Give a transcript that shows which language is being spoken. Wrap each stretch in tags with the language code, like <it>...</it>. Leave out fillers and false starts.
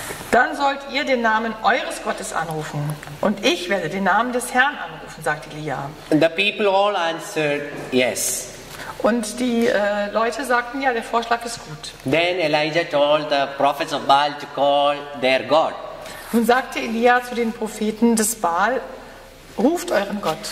<de>Dann sollt ihr den Namen eures Gottes anrufen. Und ich werde den Namen des Herrn anrufen, sagt Elia.</de> <en>And the people all answered, yes.</en> <de>Und die Leute sagten, ja, der Vorschlag ist gut.</de> <en>Then Elijah told the prophets of Baal to call their God.</en> <de>Nun sagte Elia zu den Propheten des Baal, ruft euren Gott.</de>